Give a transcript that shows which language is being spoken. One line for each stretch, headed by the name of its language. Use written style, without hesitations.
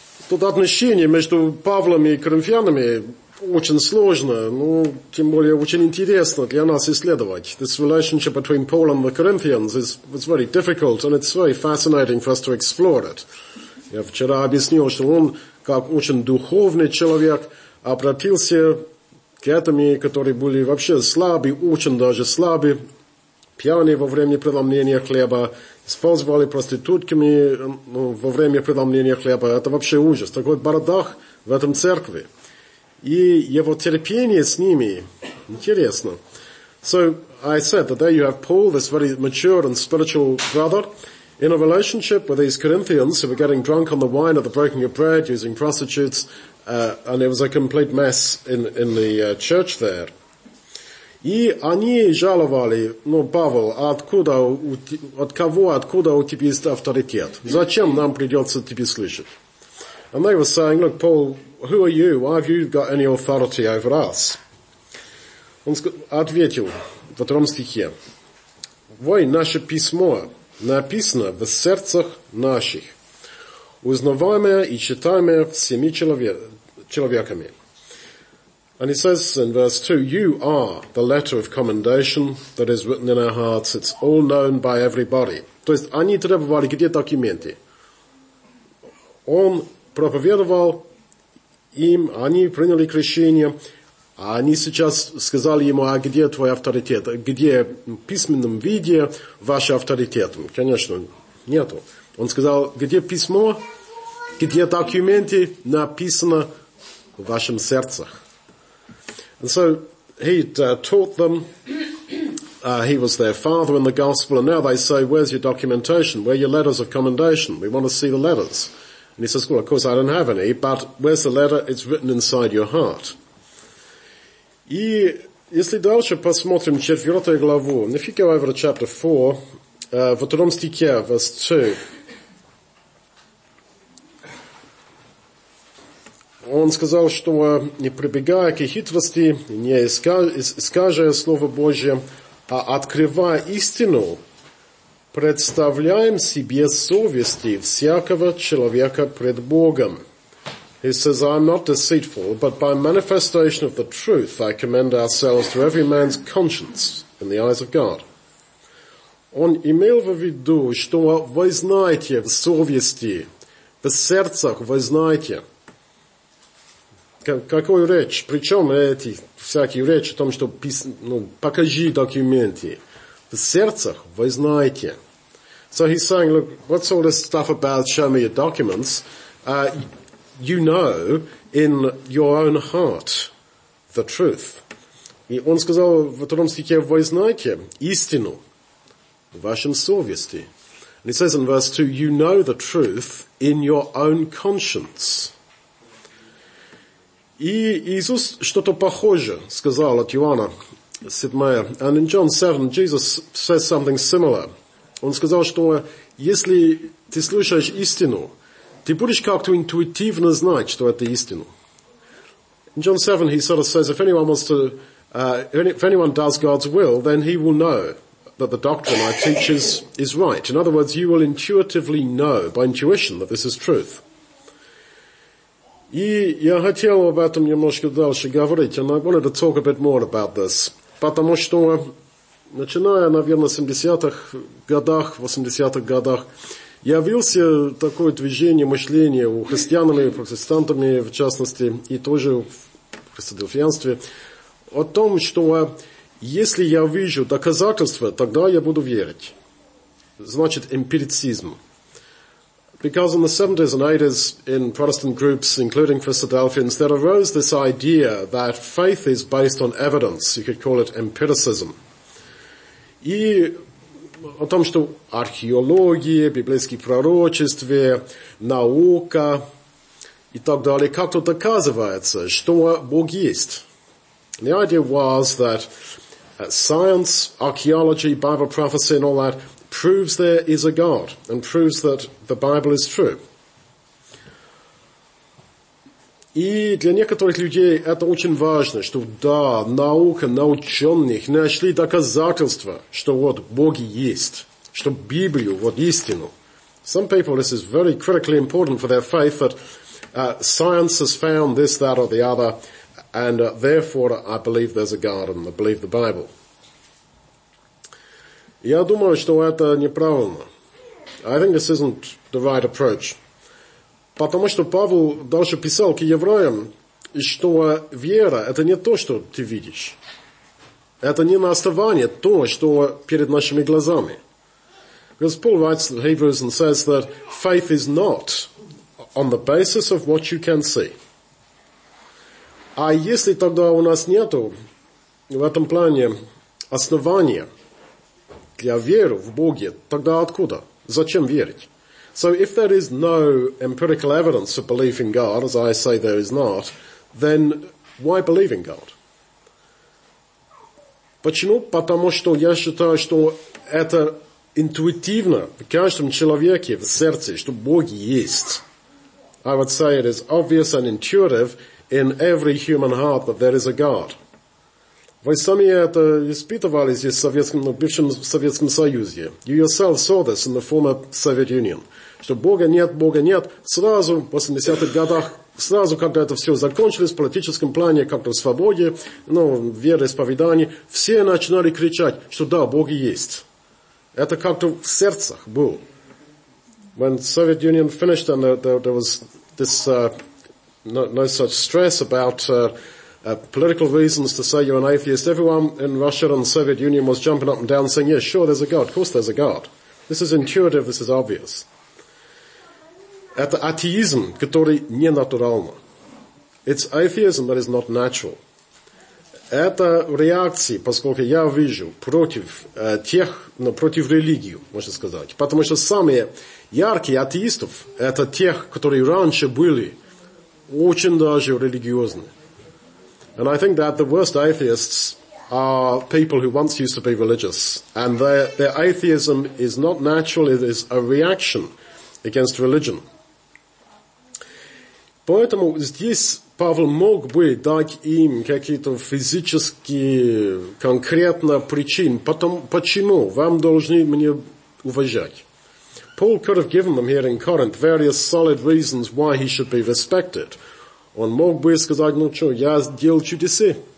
Russian: Тут отношение между Павлом и Коринфянами очень сложно, но тем более очень интересно для нас исследовать.
English: This relationship between Paul and the Corinthians is very difficult, and it's very fascinating for us to explore it.
Russian: Я вчера объяснил, что он, как очень духовный человек, обратился к этим, которые были вообще слабы, очень даже слабы, пьяные во время преломления хлеба, использовали проститутками во время преломления хлеба. Это вообще ужас. Такой бардак в этом церкви. И его терпение с ними интересно.
English: So I said that there you have Paul, this very mature and spiritual brother, in a relationship with these Corinthians who were getting drunk on the wine of the breaking of bread, using prostitutes, and it was a complete mess in the church there.
Russian: И они жаловали, Павел, откуда у тебя есть авторитет? Зачем нам придется тебя слышать?
English: And they were saying, look, Paul, who are you? Why have you got any authority over us?
Russian: Он ответил в 2 стихе. Вой, наше письмо написано в сердцах наших, узнаваемое и читаемое всеми человеками.
English: And he says in verse 2, you are the letter of commendation that is written in our hearts. It's all known by everybody.
Russian: То есть, они требовали где документы. Он проповедовал им, они приняли крещение, а они сейчас сказали ему, а где твой авторитет? Где в письменном виде ваш авторитет? Конечно, нету. Он сказал, где письмо, где документы написано в вашем сердцах.
English: And so he'd taught them, he was their father in the gospel, and now they say, where's your documentation? Where are your letters of commendation? We want to see the letters. And he says, well, of course, I don't have any, but where's the letter? It's written inside your heart.
Russian: И если дальше посмотрим четвертую главу,
English: if you go over to chapter 4,
Russian: в втором стихе,
English: verse 2,
Russian: он сказал, что не прибегая к хитрости, не искажая Слово Божие, а открывая истину, представляем себе совести всякого человека пред Богом.
English: He says, I'm not deceitful, but by manifestation of the truth I commend ourselves to every man's conscience in the eyes of God.
Russian: Он имел в виду, что вы знаете в совести, в сердцах вы знаете. Какую речь? Причем эти всякие речи о том, что покажи документы. В сердцах вы знаете.
English: So he's saying, look, what's all this stuff about show me your documents? You know in your own heart the truth.
Russian: И он сказал в втором стихе, вы знаете истину в вашем совести.
English: And he says in verse 2, you know the truth in your own conscience.
Russian: И Иисус что-то похожее сказал от Иоанна 7.
English: And in John 7, Jesus says something similar.
Russian: Он сказал, что если ты слушаешь истину, ты будешь как-то интуитивно знать, что это истина.
English: In John 7, he sort of says, if anyone wants to, if anyone does God's will, then he will know that the doctrine I teach is right. In other words, you will intuitively know by intuition that this is truth.
Russian: И я хотел об этом немножко дальше говорить,
English: and I wanted to talk a bit more about this,
Russian: потому что, начиная, наверное, в 80-х годах, явился такое движение мышления у христианами, протестантами, в частности, и тоже в христодельфианстве, о том, что если я вижу доказательства, тогда я буду верить. Значит, эмпирицизм.
English: Because in the 70s and 80s in Protestant groups, including Christadelphians, there arose this idea that faith is based on evidence. You could call it empiricism.
Russian: И о том, что археология, библейские пророчества, наука и так далее, как-то доказывается, что Бог есть.
English: The idea was that science, archaeology, Bible prophecy and all that proves there is a God and proves that the Bible is true.
Russian: И для некоторых людей это очень важно, что да, наука, наученных нашли доказательства, что вот Бог есть, чтобы Библию, вот истину.
English: Some people, this is very critically important for their faith, that science has found this, that, or the other, and therefore I believe there's a God and I believe the Bible.
Russian: Я думаю, что это неправильно.
English: I think this isn't the right approach.
Russian: Потому что Павел дальше писал к евреям, что вера – это не то, что ты видишь. Это не на основании то, что перед нашими глазами.
English: Because Paul writes to the Hebrews and says that faith is not on the basis of what you can see.
Russian: А если тогда у нас нету в этом плане основания для веры в Боге, тогда откуда? Зачем верить?
English: So if there is no empirical evidence of belief in God, as I say there is not, then why believe in God?
Russian: Почему? Потому что я считаю, что это интуитивно в каждом человеке, в сердце, что Бог есть.
English: I would say it is obvious and intuitive in every human heart that there is a God.
Russian: Вы сами это испытывали здесь, в бывшем Советском Союзе.
English: You yourself saw this in the former Soviet Union.
Russian: Что Бога нет, сразу, в 80-х годах, сразу, когда это все закончилось, в политическом плане, как-то в свободе, ну, вероисповедании, все начинали кричать, что да, Бог есть. Это как-то в сердцах было.
English: When Soviet Union finished, and there was this, no such stress about political reasons to say you're an atheist, everyone in Russia and the Soviet Union was jumping up and down saying, yeah, sure, there's a God, of course there's a God. This is intuitive, this is obvious.
Russian: Это атеизм, который не натурально.
English: It's atheism that is not natural.
Russian: Это реакция, поскольку я вижу, против тех, но против религии, можно сказать. Потому что самые яркие атеистов, это тех, которые раньше были очень даже религиозны.
English: And I think that the worst atheists are people who once used to be religious. And their atheism is not natural, it is a reaction against religion.
Russian: Поэтому здесь Павел мог бы дать им какие-то физические, конкретные причины, почему вам должны меня уважать.
English: Paul could have given them here in Corinth various solid reasons why he should be respected.
Russian: Он мог бы сказать, ну что, я делал чудеса.